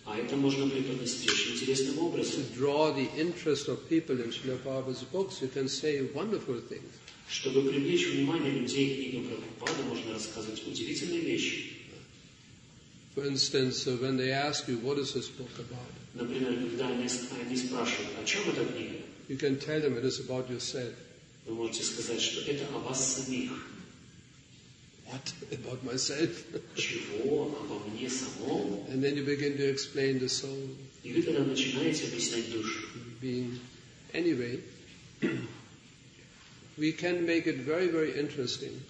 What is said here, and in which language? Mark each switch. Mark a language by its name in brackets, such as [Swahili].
[Russian] А это можно преподнести очень интересным образом. [English] To draw the interest of people in Srila Prabhupada's books, you can say wonderful things. [Russian] Чтобы привлечь внимание людей к книгам Прабхупады, можно рассказывать удивительные вещи. [English] For instance, when they ask you, what is this book about? [Russian] Например, когда они спрашивают, о чем эта книга? [English] You can tell them it is about yourself. [Russian] Вы можете сказать, что это о вас самих. [English] What? About myself? [Russian] Чего? Обо мне самом? [English] And then you begin to explain the soul. [Russian] И вы тогда начинаете объяснять душу. [English] Being... Anyway, we can make it very, very interesting.